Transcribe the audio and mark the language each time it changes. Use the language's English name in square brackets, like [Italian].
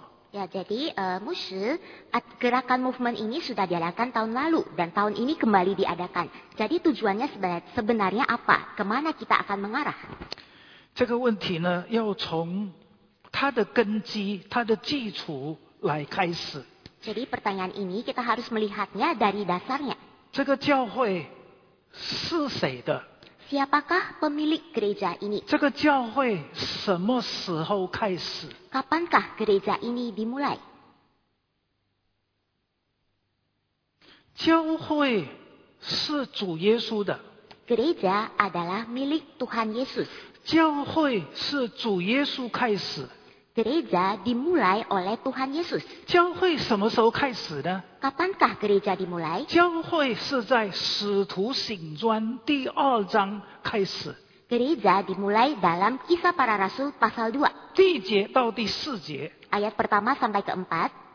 [Indonesian] Ya, jadi gerakan movement ini sudah diadakan tahun lalu dan tahun ini kembali diadakan. Jadi tujuannya sebenarnya apa? Kemana kita akan mengarah? [Chinese] 这个问题呢, 要从它的根基, 它的基础来开始。 [Indonesian] Jadi pertanyaan ini kita harus melihatnya dari dasarnya. [Chinese] 这个教会是谁的? [Indonesian] Siapakah pemilik gereja ini? [Chinese] 这个教会什么时候开始? [Indonesian] Kapankah gereja ini dimulai? [Chinese] 教会是主耶稣的. [Indonesian] Gereja adalah milik Tuhan Yesus. [Chinese] 教会是主耶稣开始. [Indonesian] Gereja dimulai oleh Tuhan Yesus. [Chinese] 教会什么时候开始的? [Indonesian] Kapankah gereja dimulai? [Chinese] 教会是在使徒行传第二章开始. [Indonesian] Gereja dimulai dalam Kisah Para Rasul pasal 2. [Chinese] 第一节到第四节. [Indonesian] Ayat pertama sampai keempat.